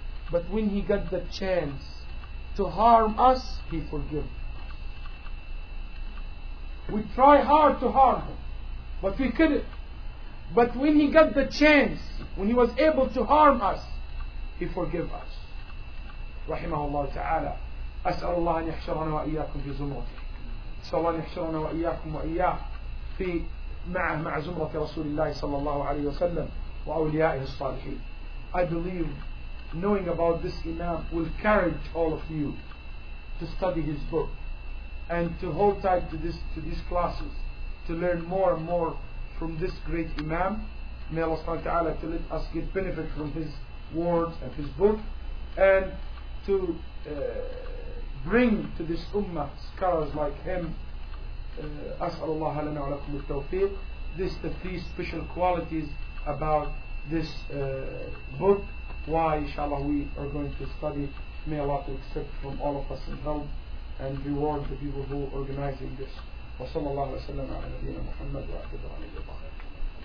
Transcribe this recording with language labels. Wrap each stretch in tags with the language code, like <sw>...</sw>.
<en>But when he got the chance to harm us, he forgave us. We try hard to harm him, but we couldn't. But when he got the chance, when he was able to harm us, he forgave us.</en> <ar>Rahimahullah ta'ala. As'al Allah an yahshirana wa iyyakum fi zumrati. As'al Allah an yahshirana wa iyyakum wa iyyakum fi مع زمرة رسول الله صلى الله عليه وسلم وأوليائه الصالحين.</ar> <en>I believe knowing about this imam will encourage all of you to study his book and to hold tight to these classes to learn more and more from this great imam. May Allah subhanahu wa ta'ala to let us get benefit from his words and his book, and to bring to this ummah scholars like him.</en> <ar>أسأل الله لنا ولكم التوفيق.</ar> <en>This the three special qualities about this book. Why, inshallah, we are going to study. May Allah to accept from all of us and help and reward the people who are organizing this.</en> <ar>وصلى الله وسلم على نبينا محمد وعلى آله وصحبه أجمعين.</ar>